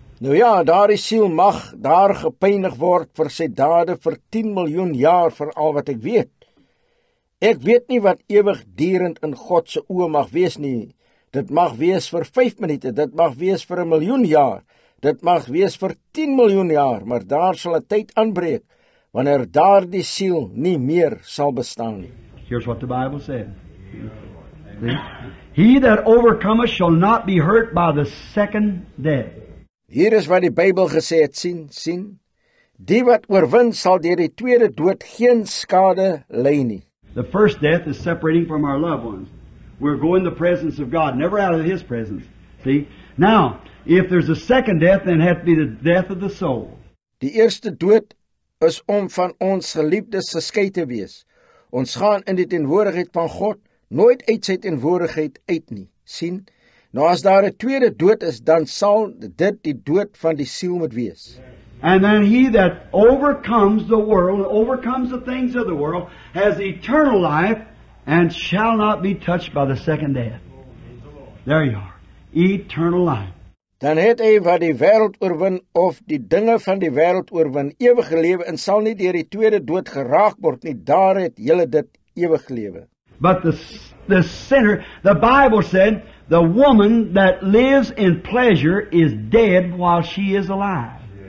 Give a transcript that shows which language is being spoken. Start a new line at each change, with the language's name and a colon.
Afrikaans: Nou ja, daar die siel mag daar gepeinig word vir sy dade vir 10 miljoen jaar vir al wat ek weet. Ek weet nie wat ewigdurend in Godse oë mag wees nie. Dit mag wees vir 5 minute, dit mag wees vir 'n miljoen jaar, dit mag wees vir 10 miljoen jaar, maar daar sal 'n tyd aanbreek wanneer daar die siel nie meer sal bestaan nie.
English: Here's what the Bible said. He that overcometh shall not be hurt by the second death.
Afrikaans: Hier is wat die Bybel gesê het, sien, die wat oorwin sal deur die tweede dood geen skade ly nie.
English: The first death is separating from our loved ones. We're going the presence of God, never out of His presence. See? Now, if there's a second death, then it has to be the death of the soul.
Afrikaans: Die eerste dood is om van ons geliefdes geskei te wees. Ons gaan in die teenwoordigheid van God nooit uit sy teenwoordigheid uit nie. Sien? Nou as daar 'n tweede dood is, dan sal dit die dood van die siel moet wees.
English: And then he that overcomes the world, overcomes the things of the world, has eternal life and shall not be touched by the second death. There you are. Eternal life.
Afrikaans: Dan het hy wat die wêreld oorwin of die dinge van die wêreld oorwin, ewige lewe en sal nie deur die tweede dood geraak word nie. Daar het jy dit ewige lewe.
English: But the sinner, the Bible said, the woman that lives in pleasure is dead while she is alive.